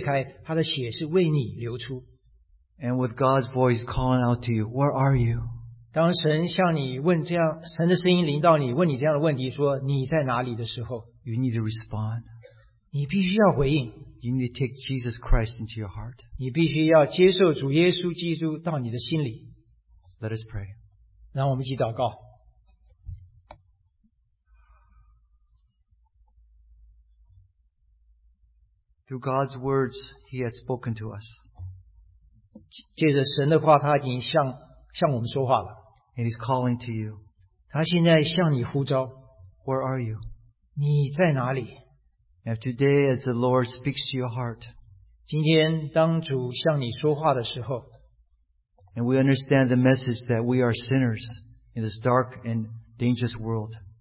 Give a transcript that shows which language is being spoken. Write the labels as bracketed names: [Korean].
[Chinese] 因为主耶稣基督来到的世上，他在十字架上，他的身体是为你裂开，裂开，他的血是为你流出。 [English] And with God's voice calling out to you, where are you? [Chinese] 当神向你问这样，神的声音临到你，问你这样的问题，说你在哪里的时候， [English] you need to respond. [Chinese] 你必须要回应。 [English] You need to take Jesus Christ into your heart. [Chinese] 你必须要接受主耶稣基督到你的心里。 [English] Let us pray. [Chinese] 让我们一起祷告。 [English] Through God's words, He has spoken to us. [Chinese] 借着神的话，他已经向我们说话了。 [English] And He's calling to you. [Chinese] 他现在向你呼召, [English] Where are you? [Chinese] 你在哪里? [English] And today, as the Lord speaks to your heart, [Chinese] 今天当主向你说话的时候, [English] and we understand the message that we are sinners in this dark and dangerous world.